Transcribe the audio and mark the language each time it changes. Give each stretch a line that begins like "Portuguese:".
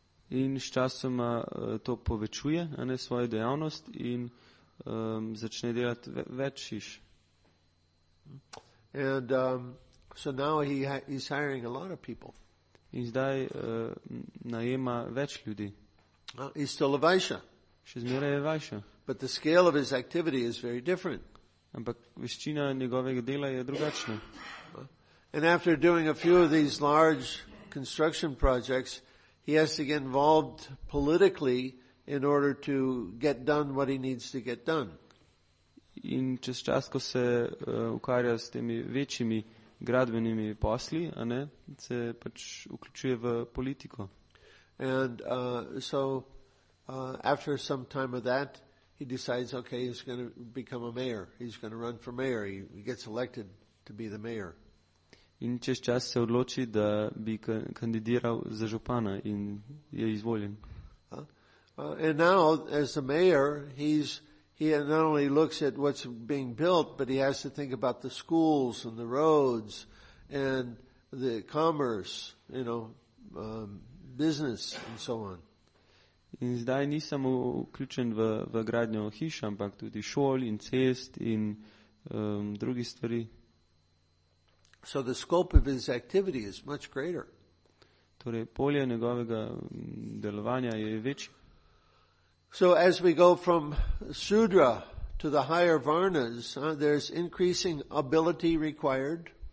Slovenian: In s časom to povečuje, a ne svojo dejavnost, in začne delati več hiš.
English: And so now he's hiring a lot of people.
Slovenian: In zdaj najema več ljudi.
English: He's still a vaisya.
Slovenian: Še zmeraj je vaša.
English: But the scale of his activity is very different.
Slovenian: Ampak veščina njegovega dela je drugačna.
English: And after doing a few of these large construction projects, he has to get involved politically in order to get done what he needs to get done.
Slovenian: In čez čas, ko se ukvarja s temi večjimi gradbenimi posli, a ne, se pač vključuje v politiko.
English: And after some time of that, he decides, okay, he's going to become a mayor. He's going to run for mayor. He gets elected to be the mayor.
Slovenian: In čez čas se odloči, da bi kandidiral za župana in je izvoljen.
English: And now, as a mayor, he not only looks at what's being built, but he has to think about the schools and the roads and the commerce, you know, business and so on.
Slovenian: In zdaj ni samo vključen v gradnjo hiš, ampak tudi šol in cest in drugi stvari.
English: So the scope of his activity is much greater.
Slovenian: Torej, polje njegovega delovanja je več.
English: So as we go from sudra to the higher varnas, there's increasing ability required.